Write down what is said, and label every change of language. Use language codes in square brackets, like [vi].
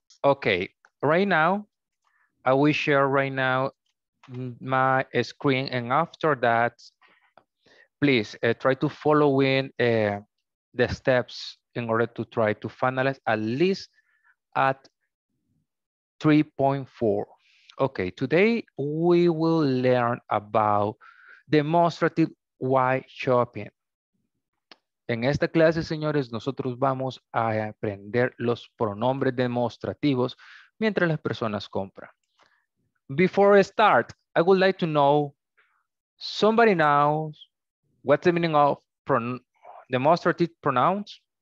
[en] Okay, right now, I will share right now my screen, and after that, please try to follow in the steps in order to try to finalize at least at 3.4. Okay, today we will learn about demonstrative while shopping. [es] En esta clase, señores, nosotros vamos a aprender los pronombres demostrativos mientras las personas compran. [en] Before I start, I would like to know, somebody knows what's the meaning of demonstrative pronouns?